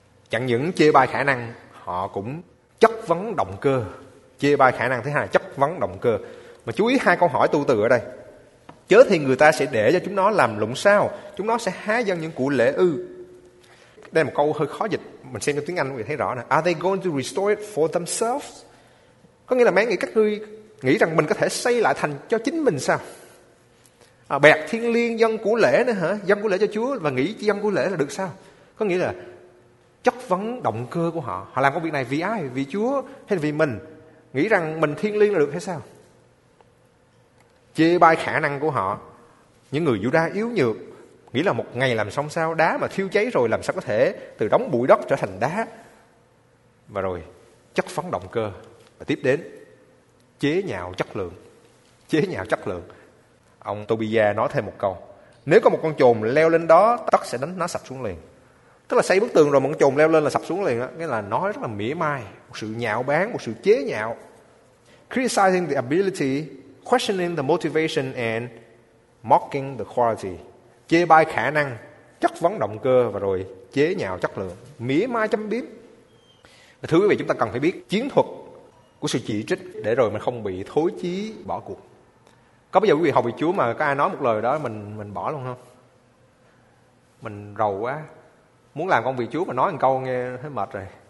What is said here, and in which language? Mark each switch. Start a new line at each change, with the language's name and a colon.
Vietnamese: Chẳng những chê bai khả năng, họ cũng chất vấn động cơ. Chê bai khả năng thứ hai, chất vấn động cơ. Mà chú ý hai câu hỏi tu từ ở đây. Chớ thì người ta sẽ để cho chúng nó làm lụng sao, chúng nó sẽ há dâng những cụ lễ ư. Đây là một câu hơi khó dịch, mình xem cho tiếng Anh quý vị thấy rõ nè.
English: Are they going to restore it for themselves?
Vietnamese: Có nghĩa là mấy người các ngươi nghĩ rằng mình có thể xây lại thành cho chính mình sao? À, bẹt thiên liêng dân của lễ nữa hả? Dân của lễ cho Chúa và nghĩ dân của lễ là được sao? Có nghĩa là chất vấn động cơ của họ. Họ làm công việc này vì ai? Vì Chúa hay vì mình? Nghĩ rằng mình thiên liêng là được hay sao? Chê bai khả năng của họ. Những người Giu-đa yếu nhược, nghĩ là một ngày làm xong sao, đá mà thiêu cháy rồi làm sao có thể từ đống bụi đất trở thành đá. Và rồi chất phấn động cơ. Và tiếp đến chế nhạo chất lượng. Chế nhạo chất lượng. Ông Tobia nói thêm một câu: nếu có một con chồn leo lên đó, tất sẽ đánh nó sập xuống liền. Tức là xây bức tường rồi mà con chồn leo lên là sập xuống liền đó. Nghĩa là nói rất là mỉa mai, một sự nhạo báng, một sự chế nhạo.
English: Criticizing the ability, questioning the motivation and mocking the quality.
Vietnamese: Chê bai khả năng, chất vấn động cơ và rồi chế nhạo chất lượng, mỉa mai châm biếm. Thưa quý vị, chúng ta cần phải biết chiến thuật của sự chỉ trích để rồi mình không bị thối chí bỏ cuộc. Có bây giờ quý vị học về Chúa mà có ai nói một lời đó mình bỏ luôn không? Mình rầu quá, muốn làm công việc Chúa mà nói một câu nghe thấy mệt rồi.